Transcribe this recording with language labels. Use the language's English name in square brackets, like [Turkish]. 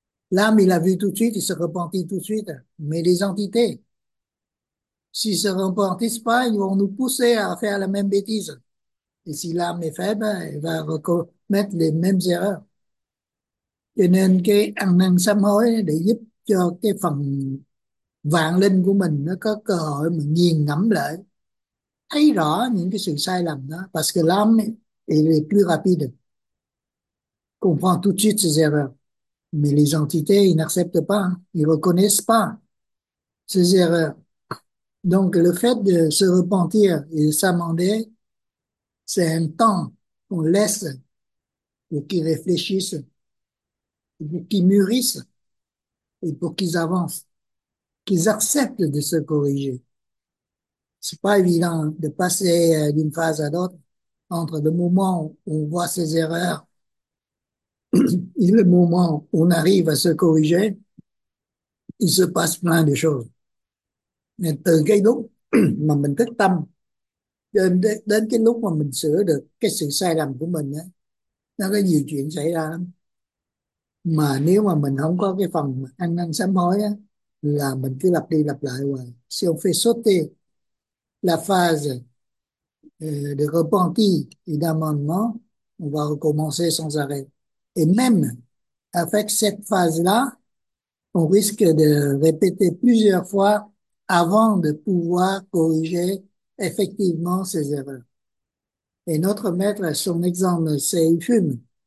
[French] L'âme, il a vu tout de suite, il se repentit tout de suite. Mais les entités, s'ils se repentissent pas, ils vont nous pousser à faire la même bêtise. Et si l'âme est faible, elle va commettre les mêmes erreurs. [Vietnamese] Cho nên cái ăn năn sám hối để giúp cho cái phần vạn linh của mình nó có cơ hội mà nghiền ngẫm lại, thấy rõ những cái sự sai lầm đó. [French] Parce que l'âme est plus rapide, comprend tout de suite ses erreurs. Mais les entités, ils n'acceptent pas, ils reconnaissent pas ces erreurs. Donc le fait de se repentir et de s'amender, c'est un temps qu'on laisse pour qu'ils réfléchissent, pour qu'ils mûrissent et pour qu'ils avancent, qu'ils acceptent de se corriger. C'est pas évident de passer d'une phase à l'autre entre le moment où on voit ses erreurs et le moment où on arrive à se corriger. Il se passe plein de choses. [Vietnamese] Mais từ cái lúc mà mình thức tâm đến cái lúc mà mình sửa được cái sự sai lầm của mình á, nó có nhiều chuyện xảy ra lắm. Mà nếu mà mình không có cái phần ăn năn sám hối á, là mình cứ lặp đi lặp lại hoài. [French] Si on fait sauter la phase de repentir et d'amendement, on va recommencer sans arrêt. Et même avec cette phase-là, on risque de répéter plusieurs fois avant de pouvoir corriger effectivement ses erreurs. Et notre maître, son exemple, c'est il fume.